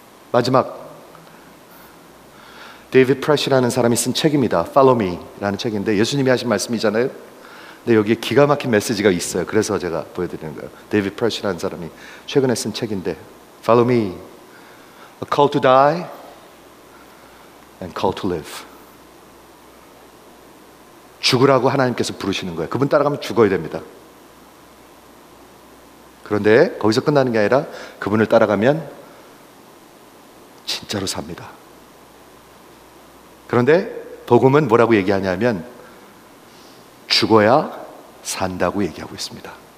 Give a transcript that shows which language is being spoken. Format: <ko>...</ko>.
<ko>마지막 데이비드 프레시라는 사람이 쓴 책입니다. Follow me 라는 책인데 예수님이 하신 말씀이잖아요. 근데 여기에 기가 막힌 메시지가 있어요. 그래서 제가 보여드리는 거예요. 데이비드 프레시라는 사람이 최근에 쓴 책인데 Follow me.</ko> <en>A call to die and call to live.</en> <ko>죽으라고 하나님께서 부르시는 거예요. 그분 따라가면 죽어야 됩니다. 그런데 거기서 끝나는 게 아니라 그분을 따라가면 진짜로 삽니다. 그런데 복음은 뭐라고 얘기하냐면 죽어야 산다고 얘기하고 있습니다.</ko>